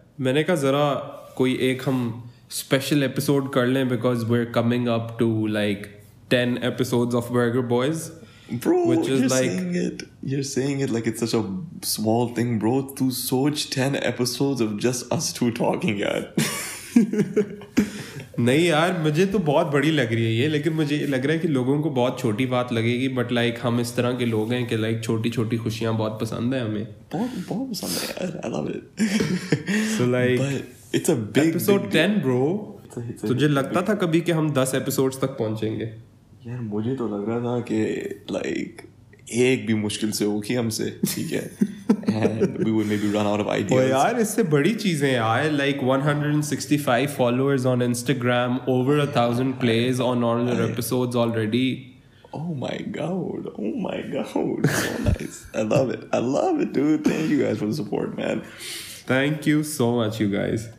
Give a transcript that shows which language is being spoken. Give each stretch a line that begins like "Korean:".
Hindi: मैंने कहा जरा कोई एक हम special episode कर लें
English: because we're coming up to like 10 episodes of Burger Boys. Bro, which is you're saying it like it's such a small thing, bro.
Hindi: To soch
English: 10 episodes of just us two talking, yaar.
Hindi: नहीं यार मुझे तो बहुत बड़ी लग रही है ये लेकिन मुझे लग रहा है कि लोगों को बहुत छोटी बात लगेगी बट लाइक हम इस तरह के लोग हैं कि लाइक छोटी छोटी खुशियां बहुत पसंद है हमें बहुत बहुत पसंद है यार
English: I love it so like it's a big
Hindi: episode 10 bro तुझे लगता था कभी कि हम 10 एपिसोड्स तक पहुंचेंगे यार मुझे तो लग रहा था कि लाइक एक भी मुश्किल से होगी हमसे ठीक है
English: and we would maybe run out of ideas.
Hindi: Oh, yaar, isse badi cheez hai, yaar.
English: Like 165 followers on Instagram, over 1,000 plays on all your episodes already. Oh my god. So nice. I love it, dude. Thank you guys for the support, man. Thank you so much, you guys.